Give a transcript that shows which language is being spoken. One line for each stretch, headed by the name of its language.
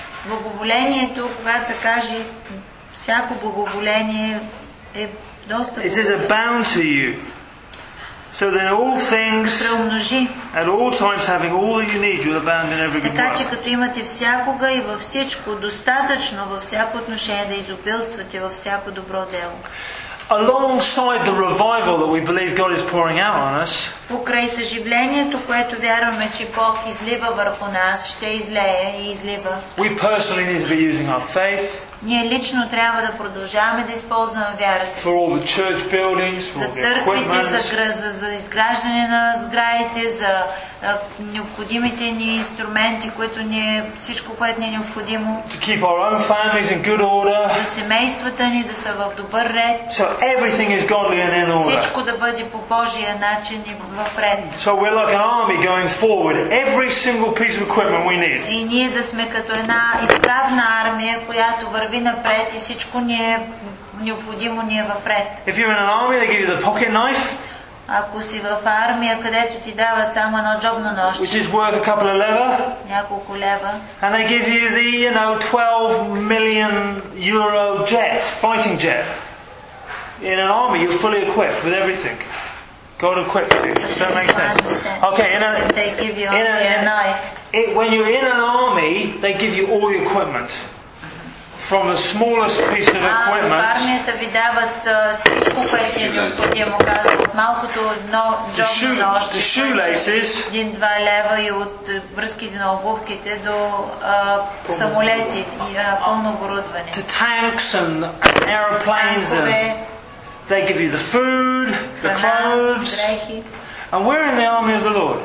Bulgarian: Благоволението, когато се каже всяко благоволение е доста
English: It is abound to you. So then all things
Bulgarian: преумножи.
English: At all times having all that you need, you're abound in every good work.
Bulgarian: Така че като имате всякога и във всичко достатъчно във всяко отношение да изобилствате във всяко добро дело.
English: Alongside the revival that we believe God is pouring out on us,
Bulgarian: покрай съживлението, което вярваме, че Бог излива върху нас, ще излее и излива.
English: We personally need to be using our faith.
Bulgarian: Ние лично трябва да продължаваме да използваме вярата.
English: For all the church buildings,
Bulgarian: за църквите, за изграждане на сградите, за необходимите ни инструменти, които ни е всичко, което ни е необходимо.
English: To keep our own families in good order.
Bulgarian: За семействата ни да са в добър ред.
English: So everything is godly and in order.
Bulgarian: Всичко да бъде по Божия начин и в ред.
English: So we're like an army going forward. Every single piece of equipment we need.
Bulgarian: И ние да сме като една изправна армия, която върви напред и всичко ни е необходимо ни е в ред.
English: If you're in an army, they give you the pocket knife.
Bulgarian: Ако си в армия, където ти дават само едно джобно нощче,
English: which is worth a couple of leva,
Bulgarian: няколко лева,
English: and they give you the, you know, 12 million euro jet, fighting jet. In an army, you're fully equipped with everything. God equipped you. Does that make sense? Okay, they give you only a knife. When you're in an army, they give you all the equipment. From the smallest piece of equipment.
Bulgarian: Армията ви дават всичко, което е необходимо, казва, от малкото едно джобно нощче, 1-2 лева и от връзките на обувките до самолети и пълно оборудване.
English: To tanks and aeroplanes and they give you the food, the clothes. And we're in the army of the Lord.